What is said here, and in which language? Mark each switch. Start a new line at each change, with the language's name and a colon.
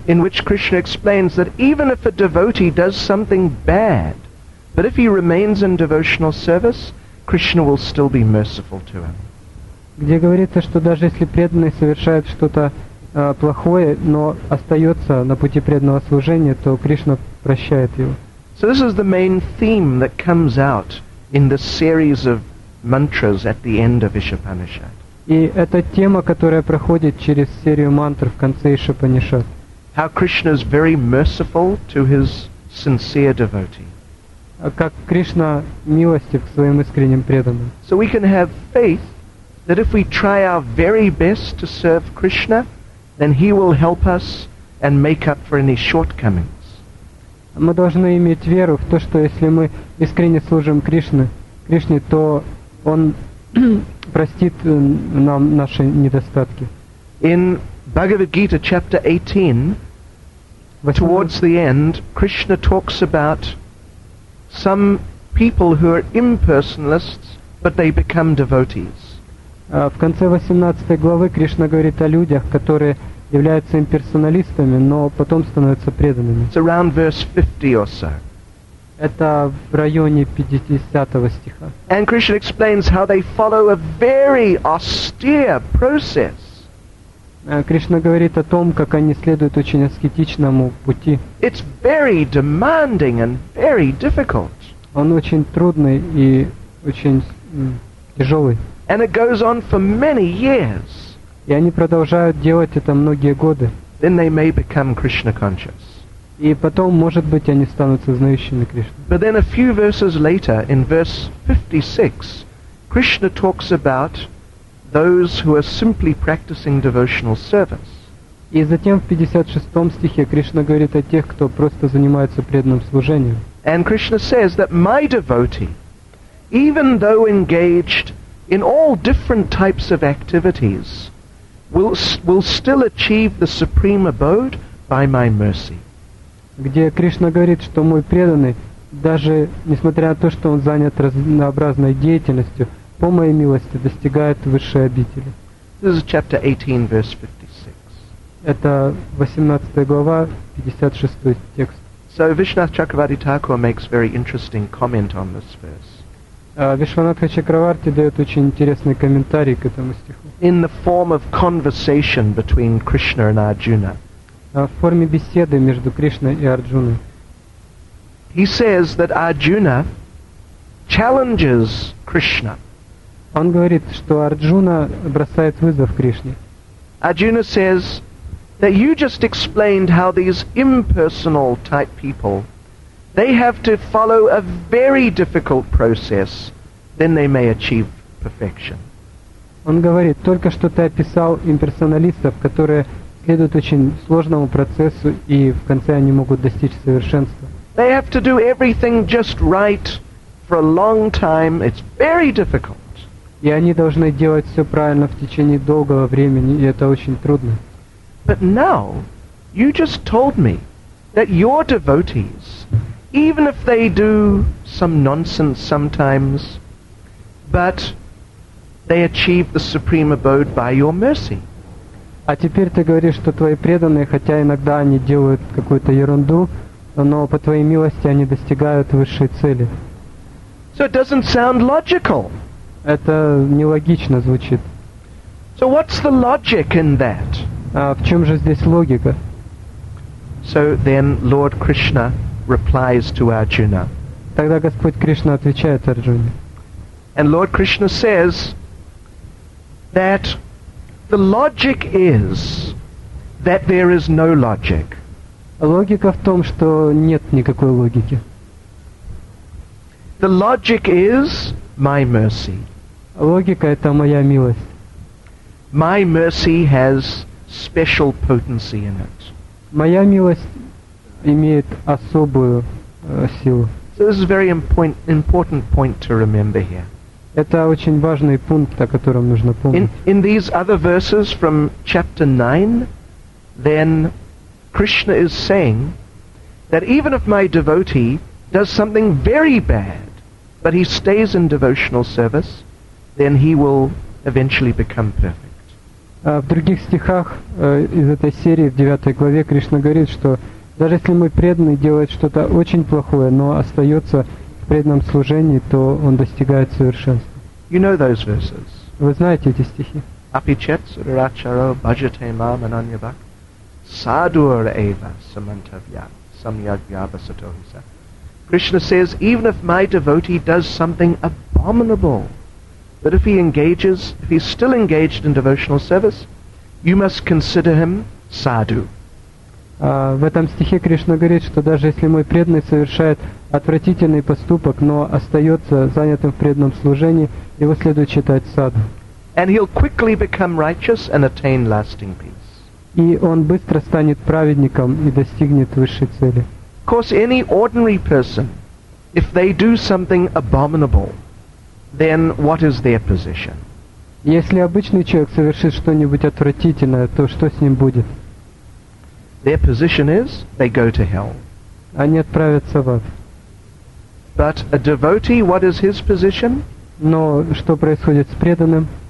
English: In which Krishna explains that even if a devotee does something bad, but if he remains in devotional service, Krishna will still be merciful to him.
Russian: Где говорится, что даже если преданный совершает что-то плохое, но остается на пути преданного служения, то Кришна прощает его.
English: So this is the main theme that comes out in the series of mantras at the end of Ishapanishad.
Russian: И это тема, которая проходит через серию мантр в конце Ишапанишад.
English: How Krishna is very merciful to his sincere devotee.
Russian: Как Кришна милостив к своим искренним преданным.
English: So we can have faith that if we try our very best to serve Krishna, then he will help us and make up for any shortcomings.
Russian: Мы должны иметь веру в то, что если мы искренне служим Кришне, то он простит нам наши недостатки.
English: In Bhagavad Gita chapter 18, towards the end, Krishna talks about some people who are impersonalists, but they become devotees.
Russian: В конце 18 главы Кришна говорит о людях, которые являются имперсоналистами, но потом становятся преданными.
English: It's around verse 50 or so.
Russian: Это в районе 50 стиха.
English: And Krishna explains how they follow a very austere process.
Russian: Кришна говорит о том, как они следуют очень аскетичному пути.
English: It's very demanding and very difficult.
Russian: Он очень трудный и очень тяжелый.
English: And it goes on for many years.
Russian: И они продолжают делать это многие годы.
English: Then they may become Krishna conscious.
Russian: И потом, может быть, они станут сознающими Кришны.
English: But then a few verses later, in verse 56, Krishna talks about those who are simply practicing devotional service.
Russian: И затем в 56 стихе Кришна говорит о тех, кто просто занимается преданным служением.
English: And Krishna says that my devotee, even though engaged in all different types of activities, will still achieve the supreme abode by my mercy.
Russian: Где Кришна говорит, что мой преданный, даже несмотря на то, что он занят разнообразной деятельностью, по моей милости достигает высшей обители.
English: This is chapter 18, verse 56.
Russian: Это 18 глава, 56 текст.
English: So Vishwanatha Chakravarti Thakur makes very interesting comment on this verse.
Russian: Вишванатха Чакраварти дает очень интересный комментарий к этому стиху.
English: In the form of conversation between Krishna and Arjuna.
Russian: В форме беседы между Кришной и Арджуной.
English: He says that Arjuna challenges Krishna.
Russian: Он говорит, что Арджуна бросает вызов Кришне.
English: Arjuna says that you just explained how these impersonal type people, they have to follow a very difficult process, then they may achieve perfection.
Russian: Он говорит, только что ты описал имперсоналистов, которые следуют очень сложному процессу, и в конце они могут достичь совершенства.
English: They have to do everything just right for a long time. It's very difficult.
Russian: И они должны делать все правильно в течение долгого времени, и это очень трудно.
English: But now, you just told me that your devotees, even if they do some nonsense sometimes, but they achieve the supreme abode by your mercy.
Russian: А теперь ты говоришь, что твои преданные, хотя иногда они делают какую-то ерунду, но по твоей милости они достигают высшей цели.
English: So it doesn't sound logical.
Russian: Это нелогично звучит.
English: So what's the logic in that?
Russian: А в чем же здесь логика?
English: So then Lord Krishna replies to Arjuna.
Russian: Тогда Господь Кришна отвечает Арджуне.
English: And Lord Krishna says that the logic is that there is no logic.
Russian: Логика в том, что нет никакой логики.
English: The logic is my mercy.
Russian: Логика — это моя милость.
English: My mercy has special potency in it.
Russian: Моя милость имеет особую силу.
English: So this is a very important point to remember here.
Russian: Это очень важный пункт, о котором нужно помнить.
English: In these other verses from chapter 9, then Krishna is saying that even if my devotee does something very bad, but he stays in devotional service, then he will eventually become perfect.
Russian: В других стихах из этой серии, в 9 главе, Кришна говорит, что даже если мой преданный делает что-то очень плохое, но остается в преданном служении, то он достигает совершенства.
English: You know those verses.
Russian: Вы знаете эти стихи?
Sanskrit: Апичет сурачаро баджате мам ананьябак садур эйва самантавья самьягьябасатохиса.
English: Krishna says, even if my devotee does something abominable, that if he engages, if he's still engaged in devotional service, you must consider him sadhu.
Russian: В этом стихе Кришна говорит, что даже если мой преданный совершает отвратительный поступок, но остается занятым в преданном служении, его следует считать садху.
English: And he'll quickly become righteous and attain lasting peace.
Russian: И он быстро станет праведником и достигнет высшей цели.
English: Of course, any ordinary person, if they do something abominable, then what is their position?
Russian: Если обычный человек совершит что-нибудь отвратительное, то что с ним будет?
English: Their position is they go to hell.
Russian: Они отправятся в ад.
English: But a devotee, what is his position?
Russian: Но что происходит с преданным?